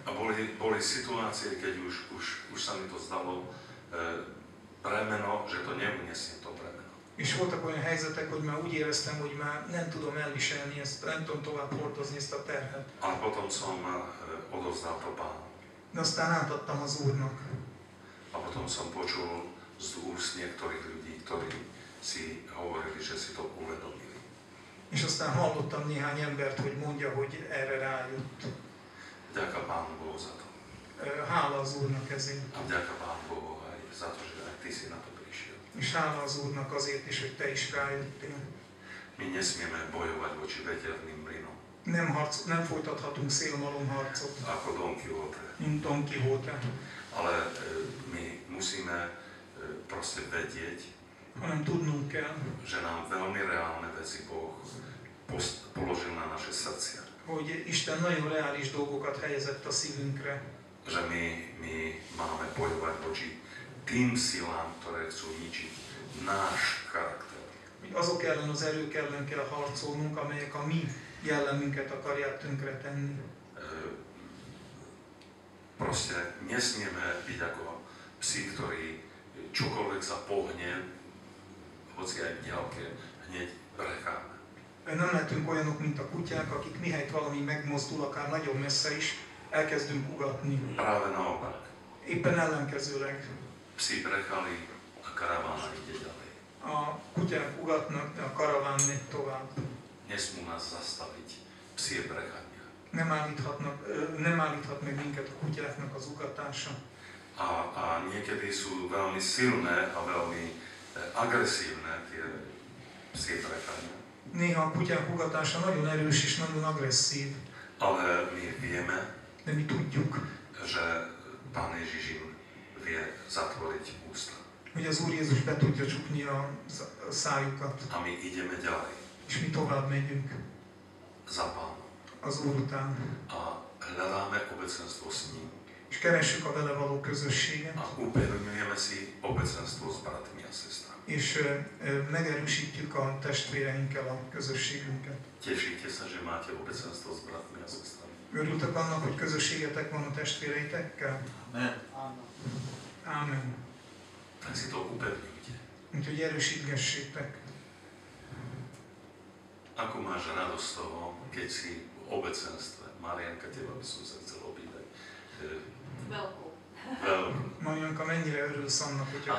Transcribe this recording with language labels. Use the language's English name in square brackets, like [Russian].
[Slovak] A boli situácie, keď už sa mi to zdalo, bremeno, že to neuniesiem to bremeno. [Hungarian] És voltak olyan helyzetek, hogy már úgy éreztem, hogy már nem tudom elviselni ezt, nem tudom tovább hordozni ezt a terhet. [Slovak] A potom som odovzdal to Pánu. [Hungarian] De aztán átadtam az Úrnak. [Slovak] A potom som počul z úst niektorých ľudí, ktorí si hovorili, že si to uvedomili. [Hungarian] És aztán hallottam néhány embert, hogy mondja, hogy erre rájött. [Slovak] Ďaká Pánu Bohu za to. [Hungarian] Hála az Úrnak ezért. [Slovak] A ďaká Pánu Bohu aj za to, že aj ty si na to prišiel. [Hungarian] És hála az Úrnak azért is, hogy te is rájöttél. [Slovak] My nesmieme bojovať voči veterným mlynom. [Hungarian] Nem folytathatunk szélmalom harcot. [Slovak] Ako Don Quixote. [Hungarian] Mint Don Quixote. [Slovak] Ale my musíme proste vedieť, [Hungarian] hanem tudnunk kell, [Slovak] že nám veľmi reálne veci Boh položil na naše srdcia. [Hungarian] Hogy Isten nagyon reális dolgokat helyezett a szívünkre. [Slovak] Že my máme bojovať voči tým silám, ktoré chcú ničiť náš charakter. [Hungarian] Hogy azok ellen, az erők ellen kell harcolnunk, amelyek a mi jellemünket akarják tönkre tenni. [Slovak] Proste nesmieme byť ako psi, ktorí čokoliv sa pohne, hoci aj nejaké, hneď recháme. [Hungarian] Nem lehetünk olyanok, mint a kutyák, akik mihelyt valami megmozdul, akár nagyon messze is, elkezdünk ugatni. [Slovak] Práve naopak. [Hungarian] Éppen ellenkezőleg. [Slovak] Psi brechali, a karaván ide ďalej. [Hungarian] A kutyák ugatnak, de a karaván megy tovább. [Slovak] Nesmú nás zastaviť psi brechania. [Hungarian] Nem állíthat meg minket a kutyáknak az ugatása. [Slovak] A niekedy sú veľmi silné a veľmi agresívne tie psi brechania. [Hungarian] Néha a kutyák ugatása nagyon erős és nagyon agresszív. [Slovak] Ale my vieme, [Hungarian] de mi tudjuk, [Slovak] že Pán Ježiš im vie zatvoriť ústa. [Hungarian] Hogy az Úr Jézus be tudja csukni a szájukat. [Slovak] A my ideme ďalej. [Hungarian] És mi tovább megyünk. [Slovak] Za Pán. [Hungarian] Az Úr után. [Slovak] A hľadáme obecenstvo s ním. [Hungarian] És keressük a vele való közösséget. [Slovak] A upevňujeme si obecenstvo s bratmi a sestrami. [Hungarian] És megerősítjük a testvéreinkkel a közösségünket. [Slovak] Tešíte sa, že máte obecenstvo s bratmi a sestrami. [Hungarian] Örültek annak, hogy közösségetek van a testvéreitekkel? [Slovak] Amen. [Hungarian] Amen. [Slovak] Tak si to upevňujte. [Hungarian] Úgyhogy erősítgessétek. [Slovak] Ako máš radosť toho, keď si v obecenstve. Marianka, teba by som sa chcel obídať. Veľkú. [Hungarian] Marianka, mennyire örülsz annak, hogyha